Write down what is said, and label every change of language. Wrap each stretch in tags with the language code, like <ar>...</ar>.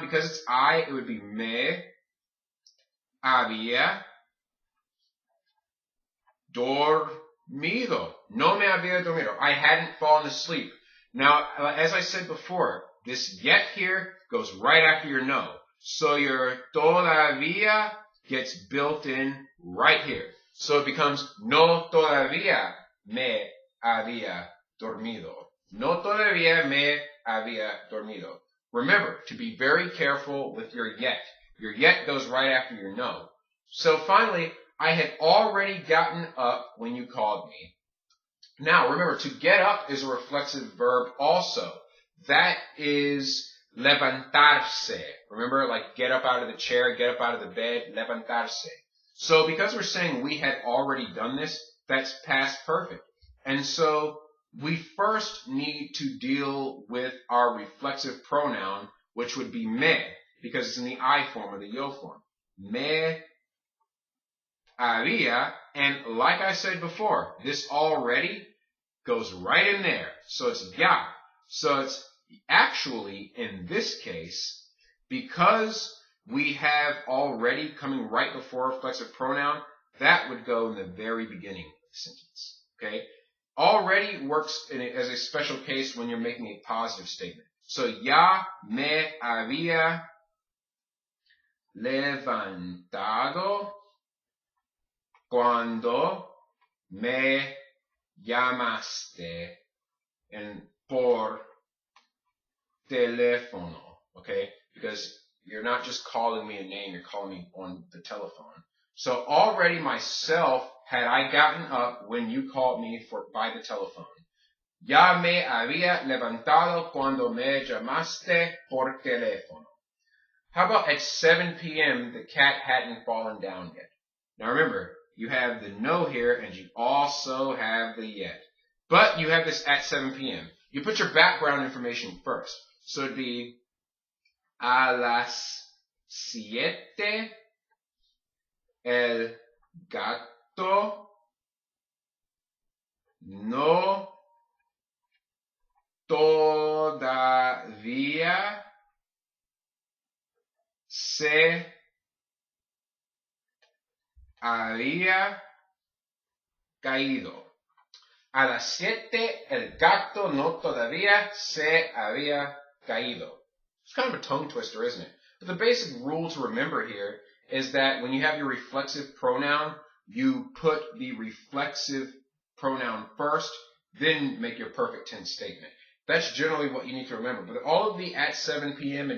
<en>Because it's I, it would be me,</en> <es>había dormido. No me había dormido.</es> <en>I hadn't fallen asleep. Now, as I said before, this yet here goes right after your no. So your todavía gets built in right here. So it becomes,</en> <es>no todavía me había dormido. No todavía me había dormido.</es> <en>Remember, to be very careful with your yet. Your yet goes right after your no. So finally, I had already gotten up when you called me. Now, remember, to get up is a reflexive verb also. That is levantarse. Remember, like, get up out of the chair, get up out of the bed, levantarse. So because we're saying we had already done this, that's past perfect. And so we first need to deal with our reflexive pronoun, which would be me, because it's in the I form or the yo form.</en> <es>Me había,</es> <en>and like I said before, this already goes right in there. So it's ya. So it's actually, in this case, because we have already coming right before a reflexive pronoun, that would go in the very beginning of the sentence, okay? Already works as a special case when you're making a positive statement.</en> <es>So, ya me había levantado cuando me llamaste en por teléfono, okay?</es> <en>Because you're not just calling me a name, you're calling me on the telephone. So already myself, had I gotten up when you called me by the telephone,</en> <es>Ya me había levantado cuando me llamaste por teléfono.</es> <en>How about at 7 p.m. the cat hadn't fallen down yet? Now remember, you have the no here and you also have the yet. But you have this at 7 p.m. You put your background information first. So it'd be</en> <es>a las 7 el gato no todavía se había caído. A las 7 el gato no todavía se había caído.</es> <en>It's kind of a tongue twister, isn't it? But the basic rule to remember here is that when you have your reflexive pronoun, you put the reflexive pronoun first, then make your perfect tense statement. That's generally what you need to remember. But all of the at 7 p.m.</en>